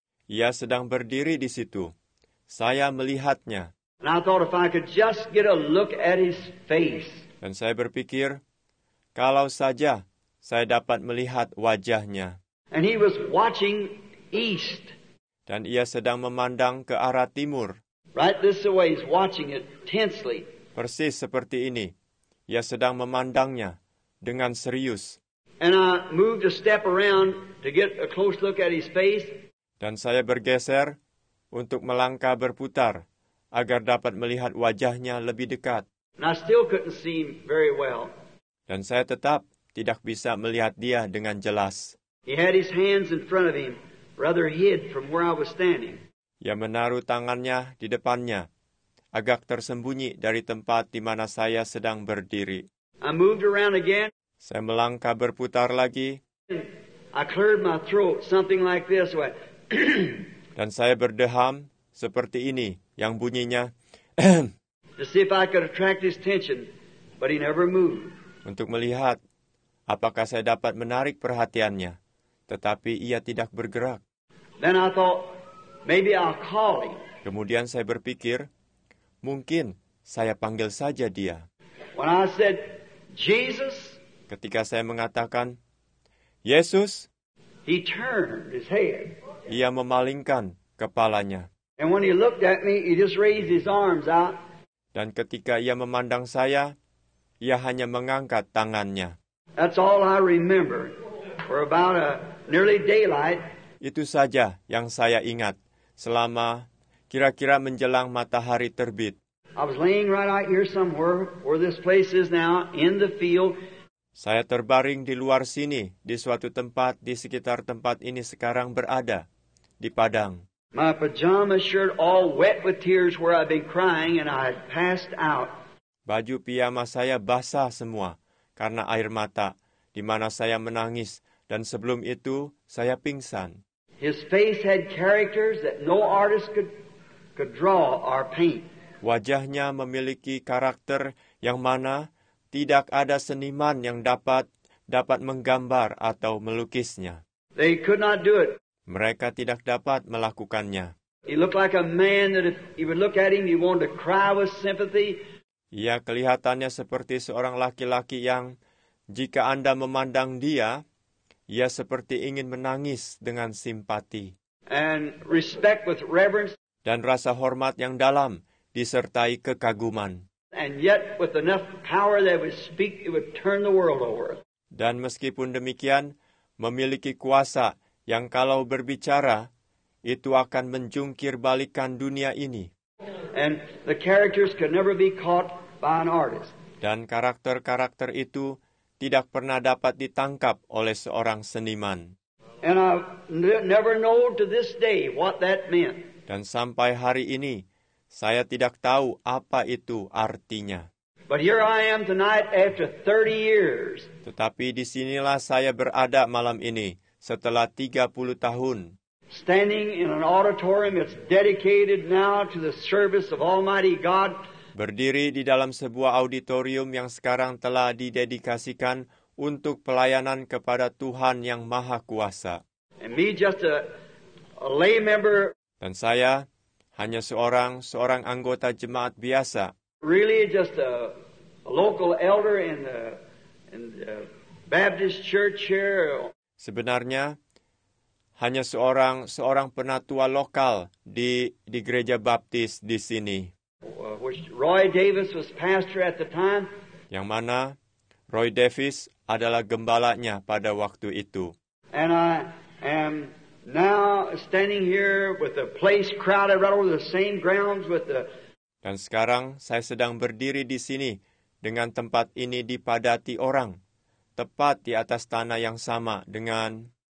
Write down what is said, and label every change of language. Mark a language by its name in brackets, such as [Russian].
[Indonesian] Ia sedang berdiri di situ. Saya melihatnya. [English] And I thought if I could just get a look at his face. [Indonesian] Dan saya berpikir, kalau saja saya dapat melihat wajahnya. [English] And he was watching east. [Indonesian] Dan ia sedang memandang ke arah timur. [English] Right this way, he's watching it tensely. [Indonesian] Persis seperti ini. Ia sedang memandangnya. Dengan serius. [English] And I moved a step around to get a close look at his face. [Indonesian] Dan saya bergeser untuk melangkah berputar agar dapat melihat wajahnya lebih dekat. [English] And I still couldn't see him very well. [Indonesian] Dan saya tetap tidak bisa melihat dia dengan jelas. [English] He had his hands in front of him, rather hid from where I was standing. [Indonesian] Ia menaruh tangannya di depannya, agak tersembunyi dari tempat di mana saya sedang berdiri. [English] I moved around again. [Indonesian] Saya melangkah berputar lagi. [English] I cleared my throat, something like this way. [Indonesian] Dan saya berdeham seperti ini, yang bunyinya. [English] To see if I could attract his attention, but he never moved. [Indonesian] Untuk melihat apakah saya dapat menarik perhatiannya, tetapi ia tidak bergerak. [English] Then I thought maybe I'll call him. [Indonesian] Kemudian saya berpikir, mungkin saya panggil saja dia. [English] When I said Jesus, [Indonesian] ketika saya mengatakan Yesus, [English] he turned his head. [Indonesian] Ia memalingkan kepalanya. [English] And when he looked at me, he just raised his arms out. [Indonesian] Dan ketika ia memandang saya, ia hanya mengangkat tangannya. [English] That's all I remember for about a nearly daylight. [Indonesian] Itu saja yang saya ingat selama kira-kira menjelang matahari terbit. [English] I was laying right out here somewhere where this place is now in the field. [Indonesian] Saya terbaring di luar sini di suatu tempat di sekitar tempat ini sekarang berada di padang. [English] My pajama shirt all wet with tears where I've been crying and I passed out. [Indonesian] Baju piyama saya basah semua karena air mata di mana saya menangis dan sebelum itu saya pingsan. [English] His face had characters that no artist could draw or paint. [Indonesian] Wajahnya memiliki karakter yang mana tidak ada seniman yang dapat menggambar atau melukisnya. [English] They could not do it. [Indonesian] Mereka tidak dapat melakukannya. [English] He looked like a man that if you would look at him, you wanted to cry with sympathy. [Indonesian] Ia kelihatannya seperti seorang laki-laki yang jika Anda memandang dia, Ia seperti ingin menangis dengan simpati. [English] And respect with reverence. [Indonesian] Dan rasa hormat yang dalam disertai kekaguman. [English] And yet with enough power that would speak, it would turn the world over. [Indonesian] Dan meskipun demikian, memiliki kuasa yang kalau berbicara, itu akan menjungkirbalikkan dunia ini. [English] And the characters could never be caught by an artist. [Indonesian] Dan karakter-karakter itu tidak pernah dapat ditangkap oleh seorang seniman. [English] And I never know to this day what that meant. [Indonesian] Dan sampai hari ini, saya tidak tahu apa itu artinya. [English] But here I am tonight after 30 years. [Indonesian] Tetapi disinilah saya berada malam ini setelah 30 tahun. [English] Standing in an auditorium that's dedicated now to the service of Almighty God. [Indonesian] Berdiri di dalam sebuah auditorium yang sekarang telah didedikasikan untuk pelayanan kepada Tuhan Yang Maha Kuasa. [English] And me just a lay member. [Indonesian] Dan saya hanya seorang anggota jemaat biasa. [English] Really just a local elder in the Baptist church here. [Indonesian] Sebenarnya hanya seorang penatua lokal di gereja Baptis di sini. [English] Which Roy Davis was pastor at the time. [Indonesian] Yang mana Roy Davis adalah gembalanya pada waktu itu. [English] And I am now standing here with the place crowded right over the same grounds with the. [Indonesian] Dan sekarang saya sedang berdiri di sini dengan tempat ini dipadati orang, tepat di atas tanah yang sama dengan.